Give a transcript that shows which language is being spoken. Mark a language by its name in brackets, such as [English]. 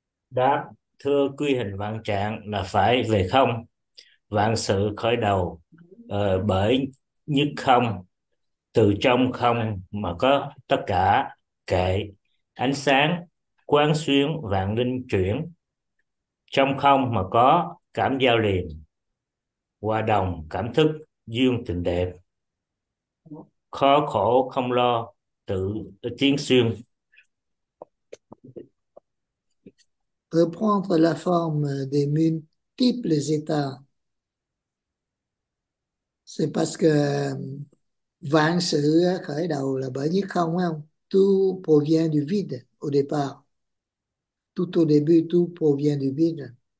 [Vietnamese] Đáp: thưa, quy hình vạn trạng là phải về không, vạn sự khởi đầu bởi nhất không, từ trong không mà có tất cả, kệ ánh sáng quán xuyến vạn linh chuyển, trong không mà có cảm giao liền, hòa đồng cảm thức duyên tình đẹp, khó khổ không lo tự tiến xuyên. [French] Reprendre la forme des multiples états C'est parce que [Vietnamese] vạn sự khởi đầu là bởi nhất không, [French] phải không? Tout provient du vide au départ. Tout au début, tout provient du vide.